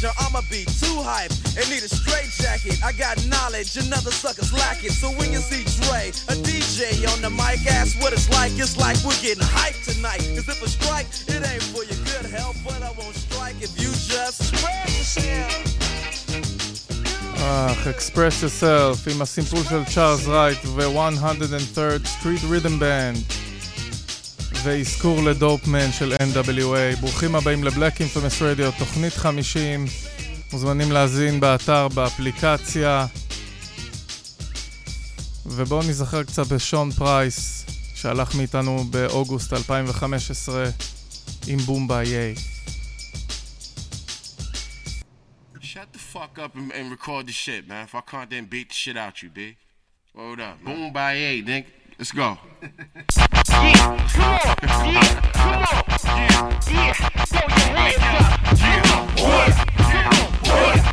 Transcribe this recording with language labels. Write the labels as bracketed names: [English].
[English] Or I'ma be too hype and need a straight jacket. I got knowledge and other suckers lack it. So when you see Dre, a DJ on the mic, ask what it's like. It's like we're getting hyped tonight. Cause if I strike, it ain't for your good health. But I won't strike if you just spread yourself. [Hebrew] Express Yourself עם הסימפול של צ'ארלס רייט ו-103 Street Rhythm Band ואזכור לדופ מן של NWA. ברוכים הבאים לבלק אינפמס רדיו, תוכנית 50. מוזמנים להזין באתר, באפליקציה. ובואו נזכר קצת בשון פרייס, שהלך מאיתנו באוגוסט 2015 עם בומבה יאי. [English] Shut the fuck up and record the shit, man. If I can't, then beat the shit out you, B. Hold up. Boom by A, nigga. Let's go. Yeah, come on. Yeah, come on. Yeah, yeah. Throw your hands up. Yeah, what? Yeah, what?